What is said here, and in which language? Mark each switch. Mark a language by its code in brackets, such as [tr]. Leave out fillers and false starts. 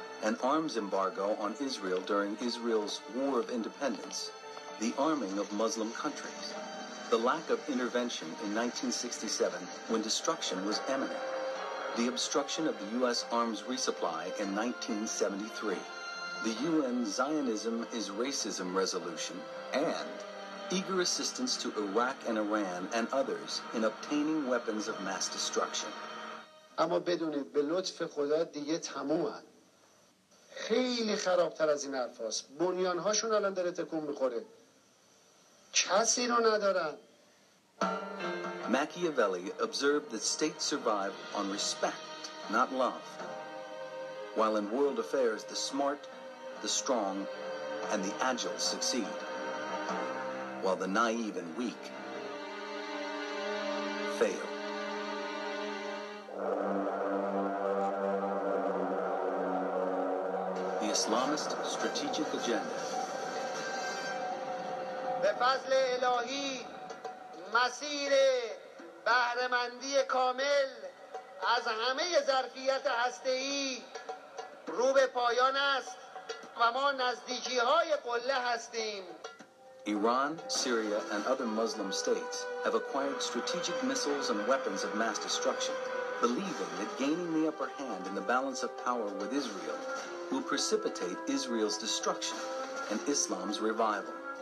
[en] An arms embargo on Israel during Israel's War of Independence, the arming of Muslim countries, the lack of intervention in 1967 when destruction was imminent, the obstruction of the U.S. arms resupply in 1973, the U.N. Zionism is racism resolution, and eager assistance to Iraq and Iran and others in obtaining weapons of mass destruction. [fa] اما بدونید به لطف خدا دیگه تمومن. خیلی خرابتر از این حرف هاست. بنیانهاشون الان داره تکون میخوره. کسی رو ندارن. [en] Machiavelli observed that states survive on respect, not love. While in world affairs, the smart, the strong, and the agile succeed, while the naive and weak fail. The Islamist strategic agenda. [fa] به فضل الهی مسیر بهره‌مندی کامل از همه ظرفیت هسته‌ای رو به پایان است و ما نزدیکی‌های قله هستیم. [en] Iran, Syria and other Muslim states have acquired strategic missiles and weapons of mass destruction, believing that gaining the upper hand in the balance of power with Israel will precipitate Israel's destruction and Islam's revival.